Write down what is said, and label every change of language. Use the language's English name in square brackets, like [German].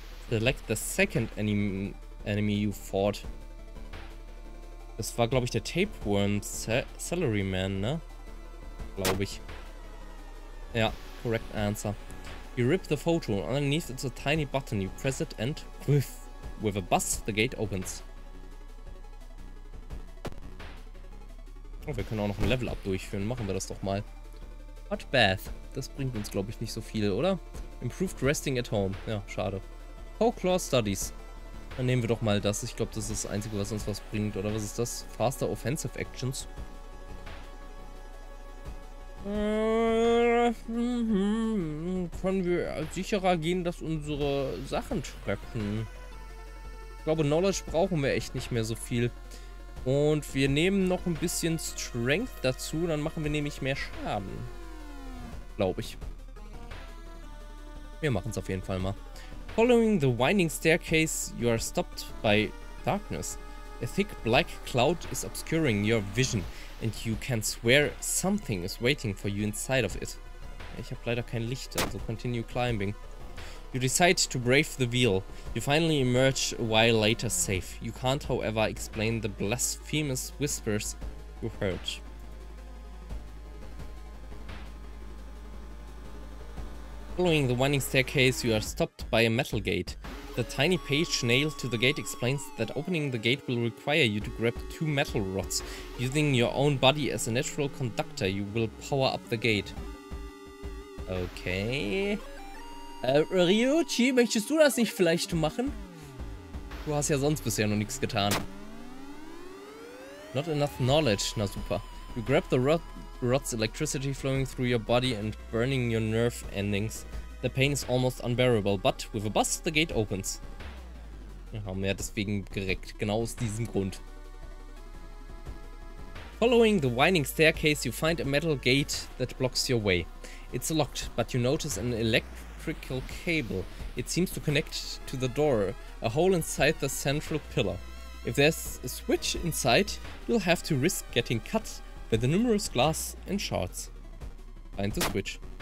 [English] Select the second enemy you fought. [German] Das war, glaube ich, der Tapeworm Salaryman, ne? Glaube ich. [English] Ja, correct answer. You rip the photo. Underneath it's a tiny button. You press it and with a buzz, the gate opens. [German] Oh, wir können auch noch ein Level-Up durchführen. Machen wir das doch mal. Hot Bath. Das bringt uns, glaube ich, nicht so viel, oder? Improved Resting at Home. Ja, schade. Folklore Studies. Dann nehmen wir doch mal das. Ich glaube, das ist das Einzige, was uns was bringt. Oder was ist das? Faster Offensive Actions. Können wir sicherer gehen, dass unsere Sachen treppen? Ich glaube, Knowledge brauchen wir echt nicht mehr so viel. Und wir nehmen noch ein bisschen Strength dazu. Dann machen wir nämlich mehr Schaden. Glaube ich. Wir machen es auf jeden Fall mal. [English] Following the winding staircase, you are stopped by darkness. A thick black cloud is obscuring your vision, and you can swear something is waiting for you inside of it. [German] Ich habe leider kein Licht, also [English] continue climbing. You decide to brave the veil. You finally emerge a while later safe. You can't, however, explain the blasphemous whispers you heard. Following the winding staircase, you are stopped by a metal gate. The tiny page nailed to the gate explains that opening the gate will require you to grab two metal rods. Using your own body as a natural conductor, you will power up the gate. [German] Okay. Ryuchi, möchtest du das nicht vielleicht machen? Du hast ja sonst bisher noch nichts getan. [English] Not enough knowledge. [German] Na super. [English] You grab the rods, electricity flowing through your body and burning your nerve endings. The pain is almost unbearable, but with a buzz, the gate opens. [German] Wir haben ja deswegen gereckt, genau aus diesem Grund. [English] Following the winding staircase, you find a metal gate that blocks your way. It's locked, but you notice an electrical cable. It seems to connect to the door, a hole inside the central pillar. If there's a switch inside, you'll have to risk getting cut by the numerous glass and shards. Find the switch.